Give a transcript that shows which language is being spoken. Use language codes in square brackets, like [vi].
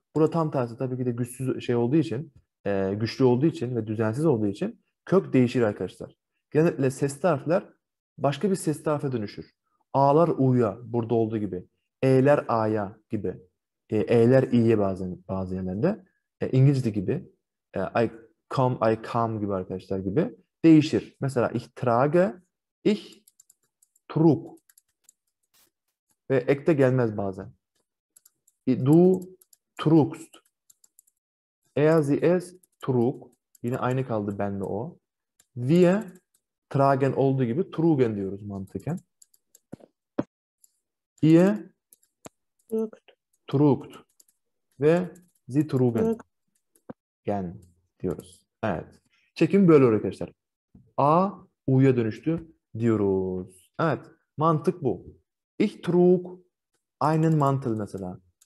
[tr] Burada tam tersi tabii ki de güçsüz şey olduğu için güçlü olduğu için ve düzensiz olduğu için kök değişir arkadaşlar. Genellikle sesli harfler başka bir sesli harfe dönüşür. A'lar U'ya burada olduğu gibi. E'ler A'ya gibi. E'ler İ'ye bazı yerlerde. İngilizce gibi. [en] I come [tr] gibi arkadaşlar gibi. değişir. Mesela [de] ich trage, ich trug. [tr] Ve ek de gelmez bazen. [de] Du trugst. Er, sie, es trug. [tr] Yine aynı kaldı ben ve o. [de] Wir tragen [tr] olduğu gibi [de] trugen [tr] diyoruz mantıken. [de] Ihr trugt. [tr] Ve [de] sie trugen. [tr] Gen diyoruz. Evet. Çekim böyle arkadaşlar. A, U'ya dönüştü diyoruz. Evet. Mantık bu. [de] Ich trug einen Mantel [tr] mesela.